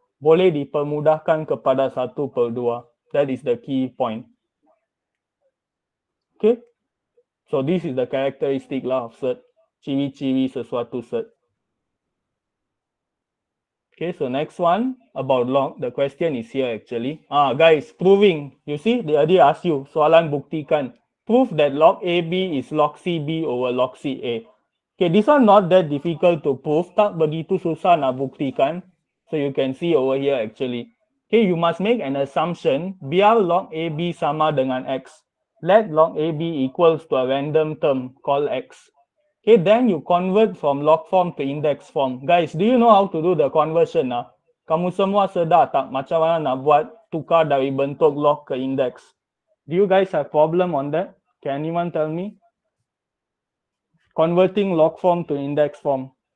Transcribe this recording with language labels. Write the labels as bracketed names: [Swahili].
[Malay] Boleh dipermudahkan kepada 1/2. [English] That is the key point. Okay. So this is the characteristic lah of cert. [Malay] Ciri-ciri sesuatu cert. [English] Okay, so next one about log. The question is here actually. Guys, proving. You see, they already asked you. [Malay] Soalan buktikan. [English] Prove that log AB is log CB over log CA. Okay, this one not that difficult to prove. [Malay] Tak begitu susah nak buktikan. [English] So you can see over here actually. Okay, you must make an assumption. [Malay] Biar log AB sama dengan X. [English] Let log AB equals to a random term called X. Okay, then you convert from log form to index form. Guys, do you know how to do the conversion? [Malay] Kamu semua sedar tak macam mana nak buat tukar dari bentuk log ke index? [English] Do you guys have problem on that? Can anyone tell me? Converting log form to index form.